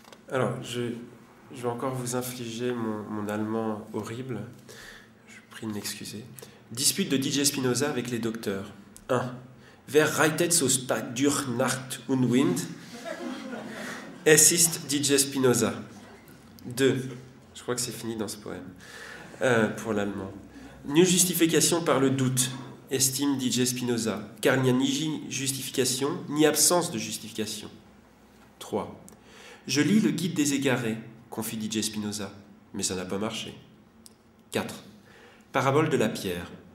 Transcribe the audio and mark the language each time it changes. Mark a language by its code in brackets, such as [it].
[fr] Alors, je vais encore vous infliger mon allemand horrible. Je prie de m'excuser. Dispute de DJ Spinoza avec les docteurs. 1. [de] Wer reitet so stark durch Nacht und Wind? Es ist DJ Spinoza. 2. [fr] Je crois que c'est fini dans ce poème. Pour l'allemand. Nulle justification par le doute, estime DJ Spinoza, car il n'y a ni justification, ni absence de justification. 3. Je lis le guide des égarés, confie DJ Spinoza, mais ça n'a pas marché. 4. Parabole de la pierre.